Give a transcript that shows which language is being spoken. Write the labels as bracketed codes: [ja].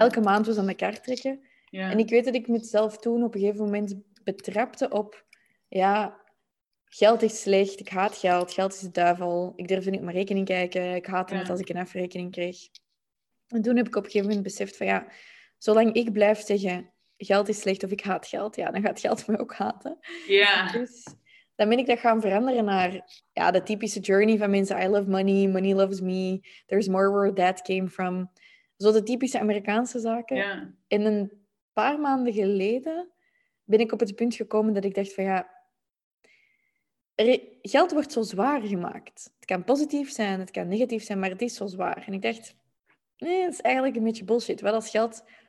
[nl] Elke maand was aan elkaar trekken. Yeah. En ik weet dat ik mezelf toen op een gegeven moment betrapte op, ja, geld is slecht, ik haat geld, geld is de duivel, ik durfde niet op mijn rekening kijken, ik haatte het als ik een afrekening kreeg. En toen heb ik op een gegeven moment beseft van, ja, zolang ik blijf zeggen... geld is slecht of ik haat geld, ja, dan gaat geld me ook haten. Ja. Dus dan ben ik dat gaan veranderen naar de typische journey van mensen. [en] I love money, money loves me, there's more where that came from. [nl] Zo de typische Amerikaanse zaken. Ja. En een paar maanden geleden ben ik op het punt gekomen dat ik dacht van ja, geld wordt zo zwaar gemaakt. Het kan positief zijn, het kan negatief zijn, maar het is zo zwaar. En ik dacht, nee, het is eigenlijk een beetje bullshit. Wel als geld...